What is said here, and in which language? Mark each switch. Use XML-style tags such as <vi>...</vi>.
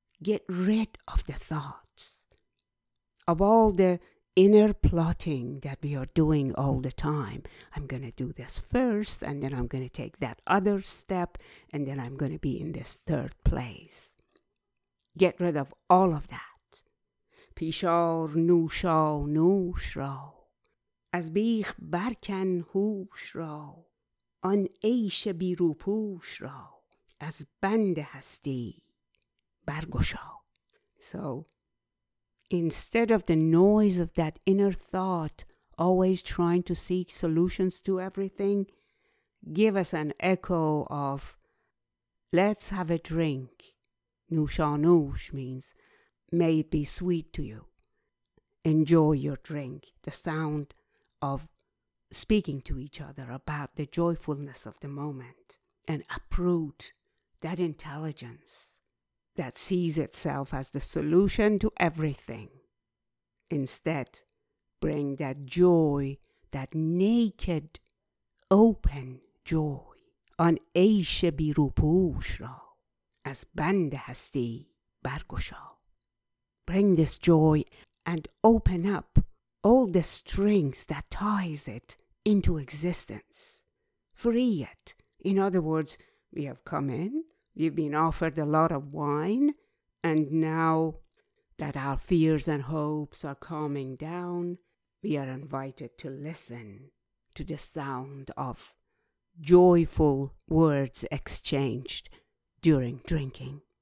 <en>Get rid of the thoughts. Of all the inner plotting that we are doing all the time. I'm going to do this first, and then I'm going to take that other step, and then I'm going to be in this third place. Get rid of all of that.</en> <fa>پیشار نوشا نوش را از بیخ برکن هوش را آن عیش بیروپوش را از بند هستی برگشا.</fa> <en>So, instead of the noise of that inner thought, always trying to seek solutions to everything, give us an echo of, let's have a drink. Nushanush means, may it be sweet to you. Enjoy your drink. The sound of speaking to each other about the joyfulness of the moment and uproot that intelligence that sees itself as the solution to everything. Instead, bring that joy, that naked, open joy.</en> <fa>On عیش بیروپوش را از بند هستی برگشا.</fa> <en>Bring this joy and open up all the strings that ties it into existence. Free it. In other words, we have come in, we've been offered a lot of wine, and now that our fears and hopes are calming down, we are invited to listen to the sound of joyful words exchanged during drinking.</en>